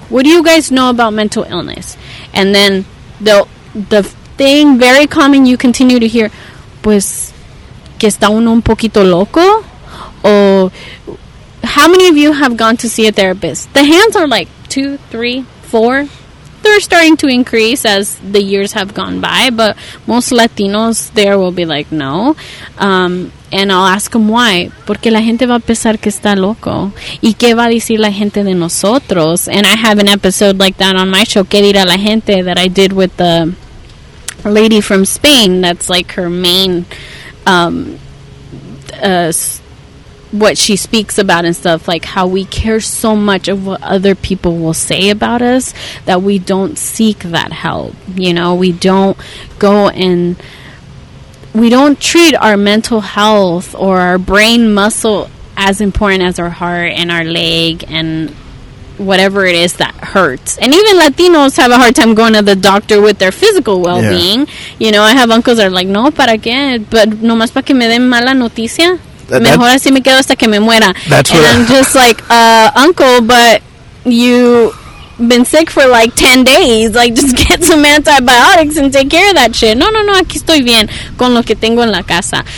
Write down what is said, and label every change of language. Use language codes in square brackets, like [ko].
[en] What do you guys know about mental illness? And then the thing very common you continue to hear, [es] pues, que está uno un poquito loco? [en] Or, how many of you have gone to see a therapist? The hands are like 2, 3, 4. They're starting to increase as the years have gone by, but most Latinos there will be like, no. And I'll ask them why. [es] Porque la gente va a pensar que está loco. ¿Y qué va a decir la gente de nosotros? [en] And I have an episode like that on my show, [es] ¿Qué dirá la gente? [en] That I did with the lady from Spain. That's like her main, what she speaks about and stuff, like how we care so much of what other people will say about us that we don't seek that help. You know, we don't go and we don't treat our mental health or our brain muscle as important as our heart and our leg and whatever it is that hurts. And even Latinos have a hard time going to the doctor with their physical well-being. Yeah. You know, I have uncles that are like, no, [es] para qué, [en] but [es] no más para que me den mala noticia. Mejor así me quedo hasta que me muera. [en] And I'm just like, uncle, but you've been sick for like 10 days. Like, just get some antibiotics and take care of that shit. [es] No, aquí estoy bien con lo que tengo en la casa.